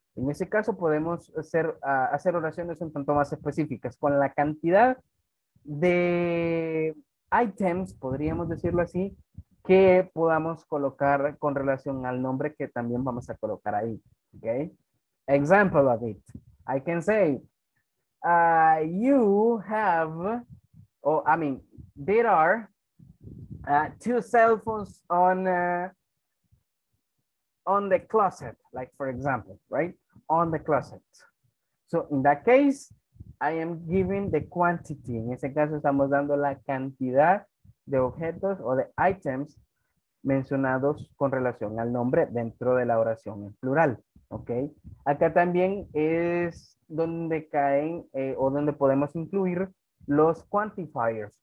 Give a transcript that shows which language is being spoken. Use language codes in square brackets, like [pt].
[es] En ese caso podemos hacer, hacer oraciones un tanto más específicas. Con la cantidad de items, podríamos decirlo así, que podamos colocar con relación al nombre que también vamos a colocar ahí. [en] Okay? Example of it. I can say, you have, oh, I mean, there are 2 cell phones on the closet, like for example, right? On the closet. So in that case, I am giving the quantity. [es] En ese caso, estamos dando la cantidad de objetos o de items mencionados con relación al nombre dentro de la oración en plural. Okay. Acá también es donde caen o donde podemos incluir los quantifiers.